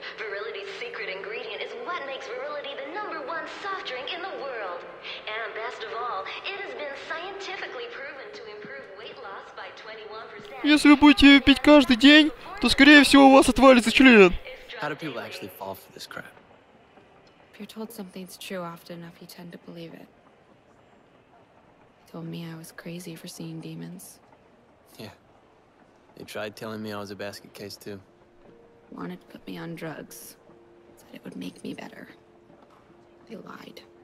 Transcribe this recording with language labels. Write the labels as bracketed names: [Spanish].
[English] Virility's secret ingredient is what makes Virility the number one soft drink in the world. And best of all, it has been scientifically proven to improve weight loss by 21%. [Russian] Если вы будете пить каждый день, то скорее всего у вас отвалится член. [English] How do people actually fall for this crap? If you're told something's true often enough, you tend to believe it. They told me I was crazy for seeing demons. Yeah. They tried telling me I was a basket case too. Wanted to put me on drugs. Said it would make me better. They lied.